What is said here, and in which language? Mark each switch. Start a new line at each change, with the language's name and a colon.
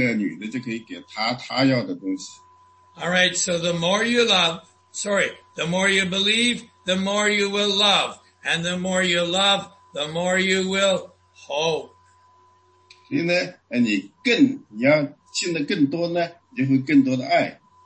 Chinese: 因为他呢，给了他太多的东西，他也太爱她了，所以他必须跟她结婚。这样，他跟她结婚了以后呢，这个女的就可以给他她要的东西。
English: All right, so the more you love, sorry, the more you believe, the more you will love. And the more you love, the more you will hope.
Chinese: 所以呢，你要信的更多呢，你就会更多的爱，